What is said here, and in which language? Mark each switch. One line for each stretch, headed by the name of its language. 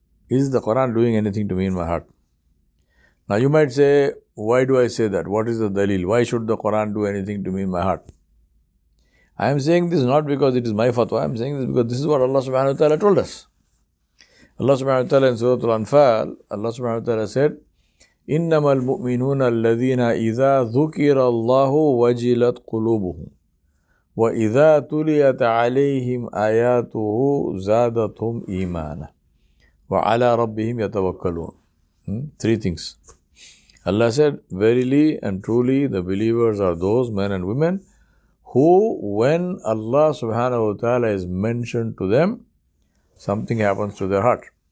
English: Is the Quran doing anything to me in my heart? Now you might say, why do I say that? What is the dalil? Why should the Quran do anything to me in my heart? I am saying this not because it is my fatwa. I am saying this because this is what Allah subhanahu wa ta'ala told us. Allah subhanahu wa ta'ala in Surah Al-Anfal, Allah subhanahu wa ta'ala said,
Arabic: إنما المؤمنون الذين إذا ذكر الله وجلت قلوبهم وإذا تليت عليهم آياته زادتهم إيمانا وعلى ربهم يتوكلون.
English: Three things. Allah said, verily and truly the believers are those men and women who, when Allah subhanahu wa ta'ala is mentioned to them, something happens to their heart.